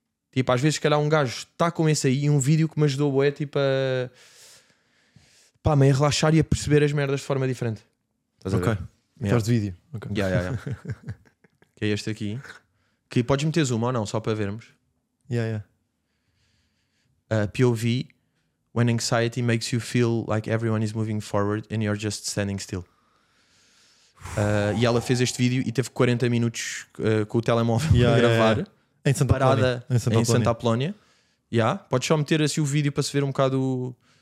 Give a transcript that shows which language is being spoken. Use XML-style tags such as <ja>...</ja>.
<pt>Tipo, às vezes, se calhar, um gajo está com esse aí e um vídeo que me ajudou bué, tipo, a. Pá, meio a relaxar e a perceber as merdas de forma diferente. Estás a ver? Ok. Estás de vídeo. Que é este aqui. Que podes meter zoom ou não, só para vermos.</pt> <en>POV, when anxiety makes you feel like everyone is moving forward and you're just standing still.</en> <pt>E ela fez este vídeo e teve 40 minutos com o telemóvel a gravar. Em Santa Apolónia. Em Santa Apolónia. Podes só meter assim o vídeo para se ver um bocado.</pt>